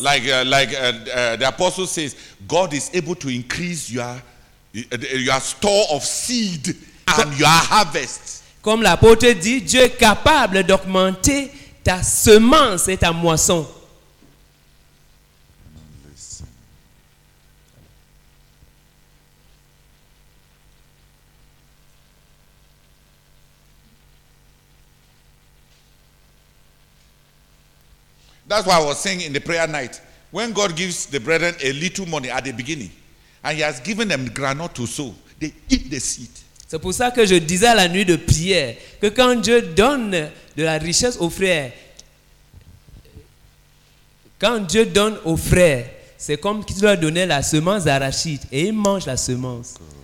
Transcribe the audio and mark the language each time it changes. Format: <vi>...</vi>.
<en>Like the apostle says, God is able to increase your store of seed and your harvest.</en> <fr>Comme l'apôtre dit, Dieu est capable d'augmenter ta semence et ta moisson.</fr> <en>That's why I was saying in the prayer night, when God gives the brethren a little money at the beginning, and he has given them granola to sow, they eat the seed.</en> <fr>C'est pour ça que je disais à la nuit de prière que quand Dieu donne de la richesse aux frères, quand Dieu donne aux frères, c'est comme qu'il leur donnait la semence d'arachide et ils mangent la semence.</fr>